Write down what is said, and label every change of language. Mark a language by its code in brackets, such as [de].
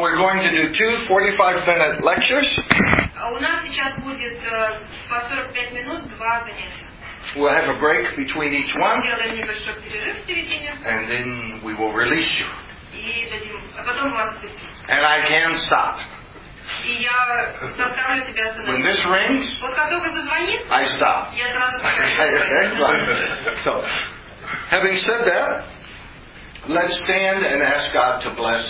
[en] Well, we're going to do two 45-minute lectures. [ru] У нас сейчас будет по 45 минут два занятия. [en] We'll have a break between each one. [ru] Сделаем небольшой перерыв в середине. [en] And then we will release you. [ru] И дадим, а потом мы вас отпустим. [en] And I can stop. [ru] И я заставлю тебя остановиться. [en] When this rings, [ru] вот как только зазвонит, [en] I stop. [ru] Я сразу [en] Excellent. So, having said that, let's stand and ask God to bless